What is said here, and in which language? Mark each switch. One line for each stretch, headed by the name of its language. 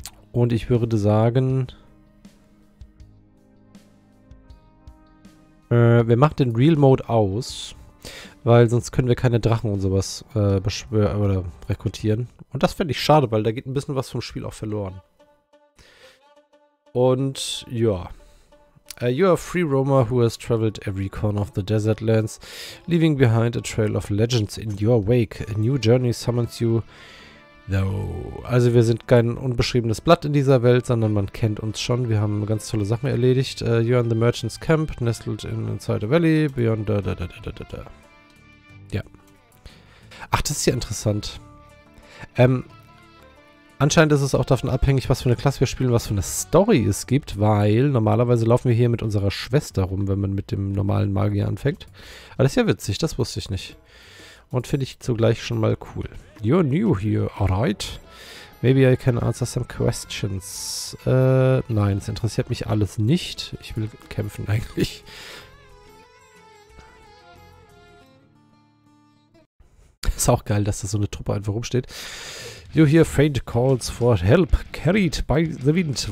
German: Und ich würde sagen, wir machen den Real Mode aus, weil sonst können wir keine Drachen und sowas oder rekrutieren. Und das fände ich schade, weil da geht ein bisschen was vom Spiel auch verloren. Und ja,
English: You are a free roamer who has traveled every corner of the desert lands, leaving behind a trail of legends in your wake. A new journey summons you.
German: Also wir sind kein unbeschriebenes Blatt in dieser Welt, sondern man kennt uns schon. Wir haben ganz tolle Sachen erledigt.
English: You're in the Merchant's Camp, nestled inside a valley, beyond da. Ja.
German: Ach, das ist ja interessant. Anscheinend ist es auch davon abhängig, was für eine Klasse wir spielen, was für eine Story es gibt, weil normalerweise laufen wir hier mit unserer Schwester rum, wenn man mit dem normalen Magier anfängt. Aber das ist ja witzig, das wusste ich nicht. Und finde ich zugleich schon mal cool.
English: You're new here, alright. Maybe I can answer some questions.
German: Nein, es interessiert mich alles nicht. Ich will kämpfen eigentlich. Ist auch geil, dass da so eine Truppe einfach rumsteht.
English: You hear faint calls for help, carried by the wind.